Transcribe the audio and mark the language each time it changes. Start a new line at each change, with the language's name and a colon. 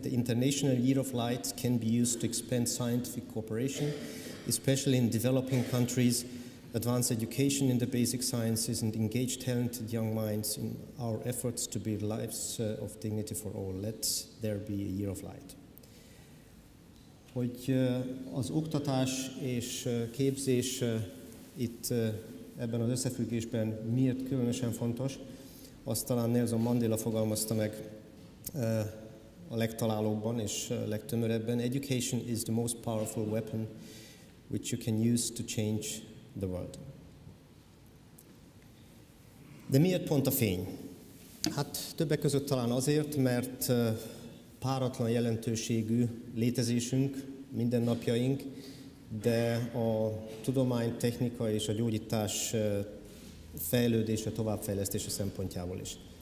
English: The International Year of Light can be used to expand scientific cooperation, especially in developing countries, advance education in the basic sciences and engage talented young minds in our efforts to build lives of dignity for all. Let there be a year of light.
Hungarian: hogy az oktatás és képzés itt ebben az összefüggésben miért különösen fontos, azt talán Nelson Mandela fogalmazta meg a legtalálóbban és legtömörebben.
English: Education is the most powerful weapon which you can use to change the world.
Hungarian: De miért pont a fény? Hát többek között talán azért, mert páratlan jelentőségű létezésünk, mindennapjaink, de a tudomány, technika és a gyógyítás fejlődése, továbbfejlesztése szempontjából is.